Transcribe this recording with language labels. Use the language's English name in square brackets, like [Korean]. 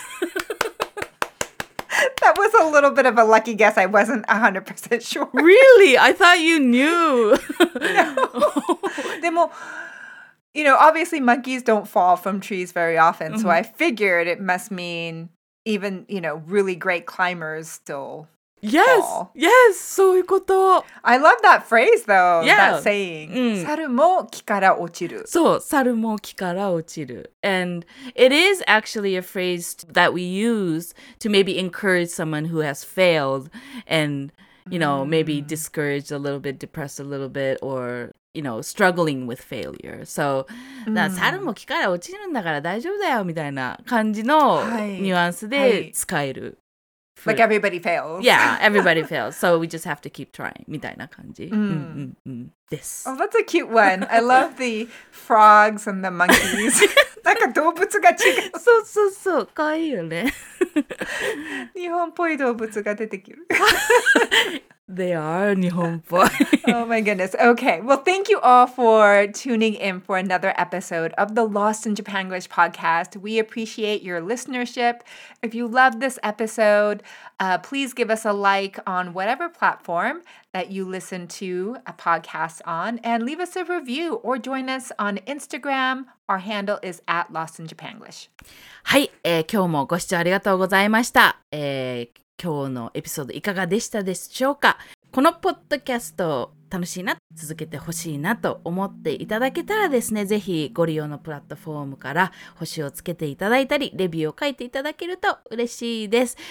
[Japanese] ピンポンピンポンです! [English] That was a little bit of a lucky guess. I wasn't 100% sure. Really? I thought you knew. No. [Japanese] でも、 [English] you know, obviously monkeys don't fall from trees very often, so I figured it must mean even, you know, really great climbers still... Yes,、 fall. Yes, [Japanese] そういうこと。 [English] I love that phrase though,、yeah. that saying.、Mm. [Japanese] 猿も木から落ちる。そう、猿も木から落ちる。 [English] And it is actually a phrase that we use to maybe encourage someone who has failed and, you know,、mm. maybe discouraged a little bit, depressed a little bit, or, you know, struggling with failure. So,、mm. [Japanese] 猿も木から落ちるんだから大丈夫だよみたいな感じのニュアンスで使える。はいはい [English] Like everybody fails. Yeah, everybody fails. So we just have to keep trying. [Japanese] みたいな感じ。 [English] This. Oh, that's a cute one. I love the frogs and the monkeys. [Japanese] なんか動物が違う。そうそうそう。かわいいよね。日本っぽい動物が出てくる。 [English] They are [Japanese] 日本っぽい。 [English] Oh my goodness. Okay. Well, thank you all for tuning in for another episode of the Lost in Japan English podcast. We appreciate your listenership. If you love this episode, please give us a like on whatever platform that you listen to a podcast on and leave us a review or join us on Instagram. Our handle is at Lost in Japan English. [Japanese] はい。今日もご視聴ありがとうございました。今日のエピソードいかがでしたでしょうか。このポッドキャスト楽しいな、続けてほしいなと思っていただけたらですね、ぜひご利用のプラットフォームから星をつけていただいたり、レビューを書いていただけると嬉しいです。